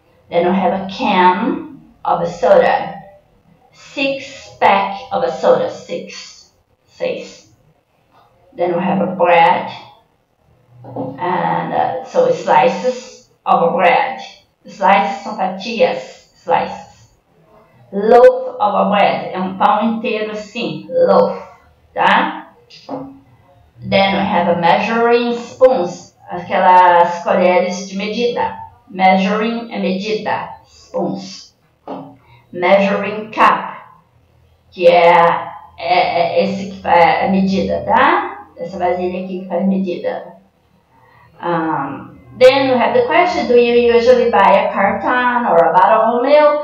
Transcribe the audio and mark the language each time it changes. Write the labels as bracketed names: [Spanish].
[English] Then we have a can of a soda. Six pack of a soda. Six. Seis. Then we have a bread, and so slices of bread. [Portuguese] Slices são fatias, slices. [English] Loaf of bread, [Portuguese] é um pão inteiro assim, loaf, tá? [English] Then we have a measuring spoons, [Portuguese] aquelas colheres de medida. Measuring é medida, spoons. Measuring cup, que é esse que faz a medida, tá? Essa vasilha aqui que faz medida. [English] Then we have the question, do you usually buy a carton or a bottle of milk?